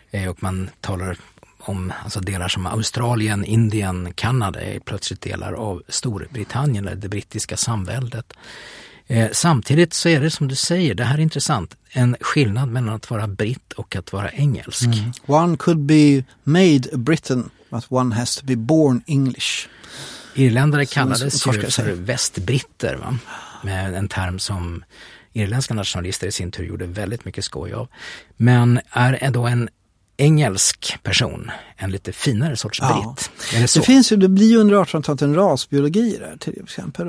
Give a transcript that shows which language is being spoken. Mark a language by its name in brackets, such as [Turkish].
[Swedish] Och man talar om alltså delar som Australien, Indien, Kanada är plötsligt delar av Storbritannien eller det brittiska samväldet. Samtidigt så är det som du säger, det här är intressant, en skillnad mellan att vara britt och att vara engelsk. [English] One could be made a Briton, but one has to be born English. [Swedish] Irländare kallades ju för västbritter, va? Med en term som irländska nationalister i sin tur gjorde väldigt mycket skoj av. Men är då en engelsk person en lite finare sorts britt? Ja. Det finns ju, det blir ju under 1800-talet en rasbiologi där till exempel.